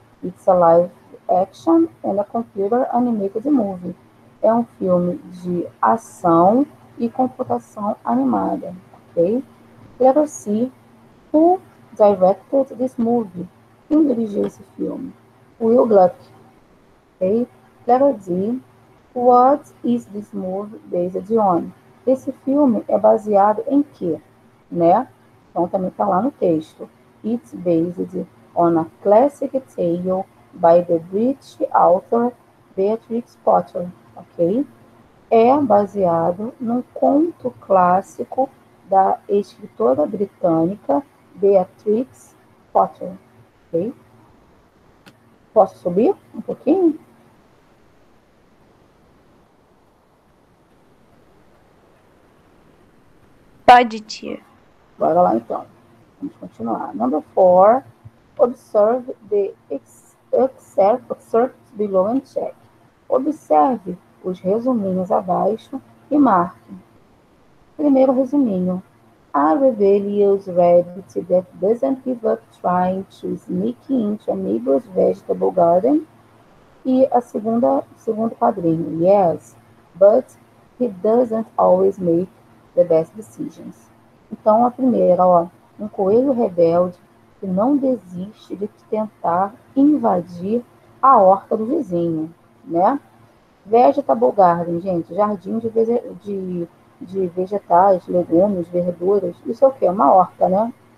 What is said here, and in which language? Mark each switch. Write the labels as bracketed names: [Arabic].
[English] It's a live action and a computer animated movie. [Portuguese] É um filme de ação e computação animada, ok? [English] Letter C, who directed this movie? [Portuguese] Quem dirigiu esse filme? Will Gluck, ok? [English] Letter D, what is this movie based on? [Portuguese] Esse filme é baseado em quê, né? Então também está lá no texto. [English] It's based on a classic tale by the British author Beatrix Potter. Ok? [Portuguese] É baseado num conto clássico da escritora britânica Beatrix Potter. Ok? Posso subir um pouquinho? Pode, tia. Bora lá, então. Vamos continuar. [English] Number 4. Observe the excerpts below and check. [Portuguese] Observe os resuminhos abaixo e marque. Primeiro resuminho. [English] A rebellious rabbit that doesn't give up trying to sneak into a neighbor's vegetable garden. [Portuguese] E a segundo quadrinho. [English] Yes, but he doesn't always make the best decisions. [Portuguese] Então, a primeira, ó. Um coelho rebelde que não desiste de tentar invadir a horta do vizinho, né? Vegetable garden, gente, jardim de vegetais, legumes, verduras, isso é o quê? Uma horta, né?